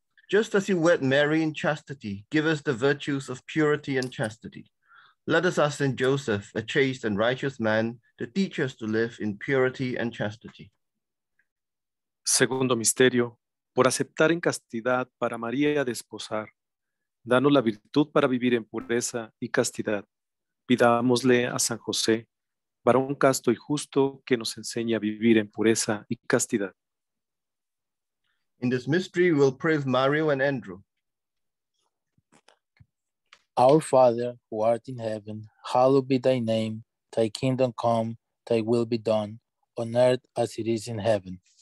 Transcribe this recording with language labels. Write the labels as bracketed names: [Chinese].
[English] Just as you wed Mary in chastity, give us the virtues of purity and chastity. Let us ask Saint Joseph, a chaste and righteous man, to teach us to live in purity and chastity. [Spanish] Segundo misterio. Por aceptar en castidad para María desposar, danos la virtud para vivir en pureza y castidad. Pidámosle a San José, varón casto y justo, que nos enseñe a vivir en pureza y castidad. [English] In this mystery, we'll pray with Mario and Andrew. Our Father, who art in heaven, hallowed be thy name. Thy kingdom come, thy will be done, on earth as it is in heaven.